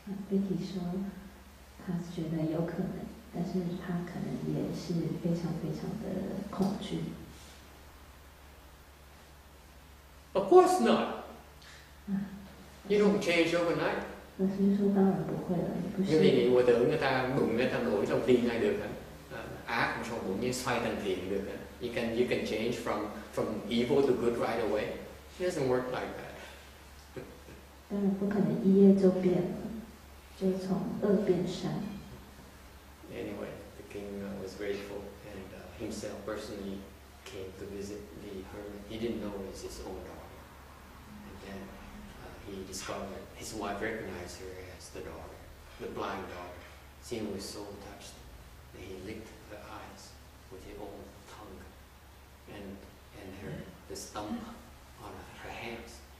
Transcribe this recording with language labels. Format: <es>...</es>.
<zh>Vicky 说，他觉得有可能，但是他可能也是非常非常的恐惧。</zh> <en>Of course not. You don't change overnight.</en> <zh>老师说当然不会了，也不是。因为你我等着他猛的他挪上地来得了，act 的时候我们摔成脸得了。</zh> <en>You can change from evil to good right away. It doesn't work like that.</en> <zh>当然不可能一夜就变了，就从恶变善。</zh> <en>Anyway, the king was grateful and himself personally came to visit the hermit. He didn't know it was his own daughter. And then he discovered his wife recognized her as the daughter, the blind daughter. She was so touched that he licked her eyes with his own tongue and her, the stump on her hands.</en>